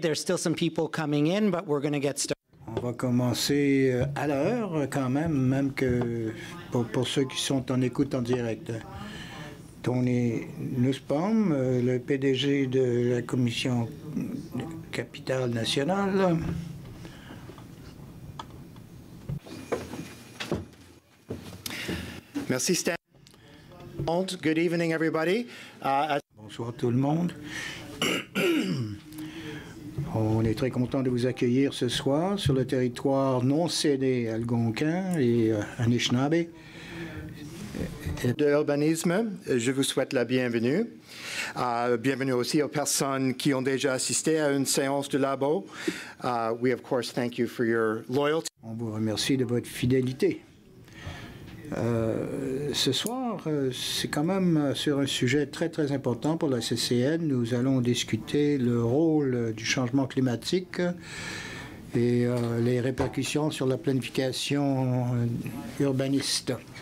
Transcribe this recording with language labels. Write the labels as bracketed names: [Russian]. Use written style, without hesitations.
[English] There's still some people coming in, but we're going to get started. [French] On va commencer à l'heure quand même, même que pour ceux qui sont en écoute en direct. Tony Nussbaum, le PDG de la Commission Capitale Nationale. Merci [English] Stan. Good evening everybody. [French] Bonsoir tout le monde. On est très content de vous accueillir ce soir sur le territoire non cédé algonquin et Anishinaabe. De l'urbanisme, je vous souhaite la bienvenue. Bienvenue aussi aux personnes qui ont déjà assisté à une séance de labo. [English] We of course thank you for your loyalty. [French] On vous remercie de votre fidélité. Ce soir, c'est quand même sur un sujet très, très important pour la CCN. Nous allons discuter le rôle du changement climatique et les répercussions sur la planification urbaniste.